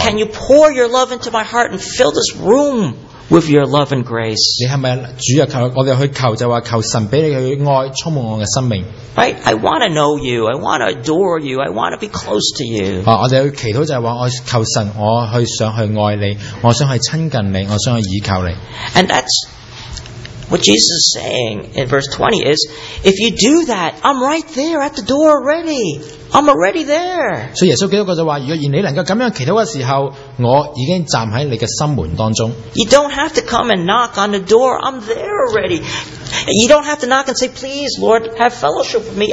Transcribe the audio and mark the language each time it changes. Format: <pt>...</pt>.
<en>Can you pour your love into my heart and fill this room with your love and grace?</en> <zh>你是不是主啊，我們去求，就是說求神給你的愛充滿我的生命。</zh> <en>Right? I want to know you. I want to adore you. I want to be close to you.</en> <zh>我們去祈禱就是說，我求神，我想去愛你，我想去親近你，我想去倚靠你。</zh> <en>And that's what Jesus is saying in verse 20 is, if you do that, I'm right there at the door already. I'm already there.</en> <zh>所以耶稣基督就说，如果你能够这样祈祷的时候，我已经站在你的心门当中。</zh> <en>You don't have to come and knock on the door. I'm there already. You don't have to knock and say, please, Lord, have fellowship with me.</en>